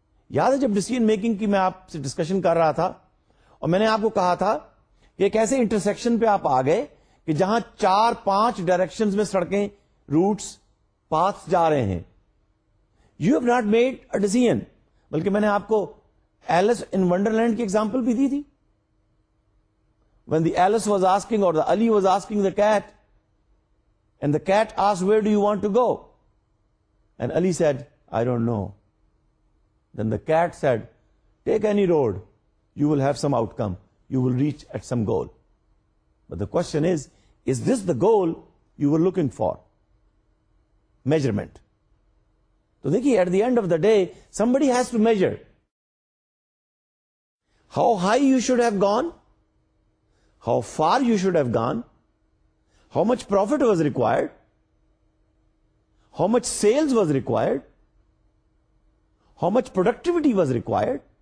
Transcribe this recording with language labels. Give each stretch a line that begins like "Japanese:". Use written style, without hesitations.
Urdu: یاد ہے جب ڈیسیژن میکنگ کی میں آپ سے ڈسکشن کر رہا تھا اور میں نے آپ کو کہا تھا کہ ایک ایسے انٹرسیکشن پہ آپ آ گئے کہ جہاں چار پانچ ڈائریکشنز میں سڑکیں, روٹس, پاتھ جا رہے ہیں.
English: you have not made a decision,
Urdu: بلکہ میں نے آپ کو ایلس ان ونڈر لینڈ کی ایگزامپل بھی دی تھی.
English: When the Alice was asking اور the Ali was asking the cat, and the cat ask where do you want to go, and Ali said, I don't know. Then the cat said, take any road, you will have some outcome, you will reach at some goal. But the question is this the goal you were looking for? Measurement. So dekhi, at the end of the day, somebody has to measure how high you should have gone, how far you should have gone, how much profit was required, how much sales was required, how much productivity was required.